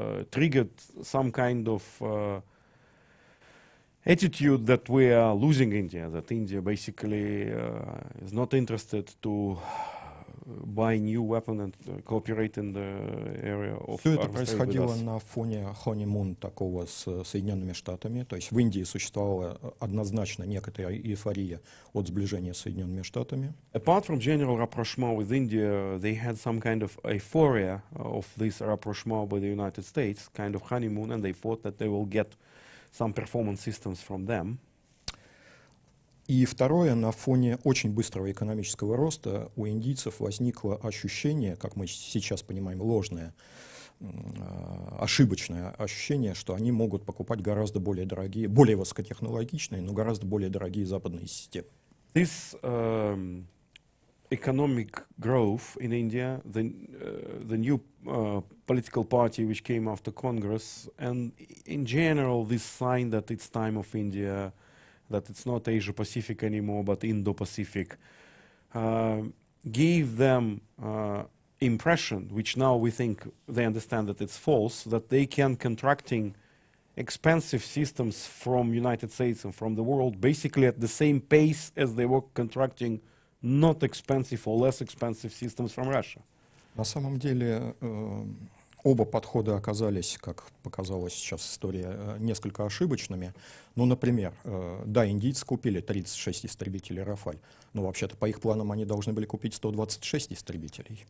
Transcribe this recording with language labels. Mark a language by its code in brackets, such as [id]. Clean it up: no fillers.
[en] triggered some kind of attitude that we are losing India, that India basically is not interested to buy new weapon and cooperate in the area of [ru] Все это происходило на фоне honeymoon такого с Соединенными Штатами. То есть в Индии существовала однозначно некоторая эйфория от сближения с Соединенными Штатами. [en] Apart from general rapprochement with India, they had some kind of euphoria of this rapprochement with the United States, kind of honeymoon, and they thought that they will get some performance systems from them. [ru] И второе, на фоне очень быстрого экономического роста у индийцев возникло ощущение, как мы сейчас понимаем, ложное, ошибочное ощущение, что они могут покупать гораздо более дорогие, более высокотехнологичные, но гораздо более дорогие западные системы. [en] This economic growth in India, the new political party which came after Congress, and in general this sign that it's time of India, that it's not Asia-Pacific anymore, but Indo-Pacific, gave them impression, which now we think they understand that it's false, that they can contracting expensive systems from United States and from the world basically at the same pace as they were contracting not expensive or less expensive systems from Russia. [ru] На самом деле, оба подхода оказались, как показала сейчас история, несколько ошибочными. Ну, например, да, индийцы купили 36 истребителей «Рафаль», но вообще-то по их планам они должны были купить 126 истребителей.